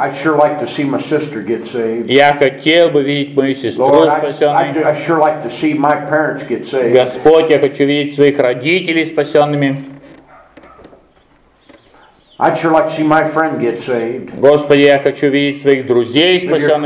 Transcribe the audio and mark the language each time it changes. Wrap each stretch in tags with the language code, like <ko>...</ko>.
<en>I'd sure like to see my sister get saved.</en> <ru>Я хотел бы видеть мою сестру спасенной.</ru> <en>I'd sure like to see my parents get saved.</en> <ru>Господь, я хочу видеть своих родителей спасенными.</ru> <en>I'd sure like to see my friend get saved.</en> <ru>Господи, я хочу видеть своих друзей спасенными.</ru>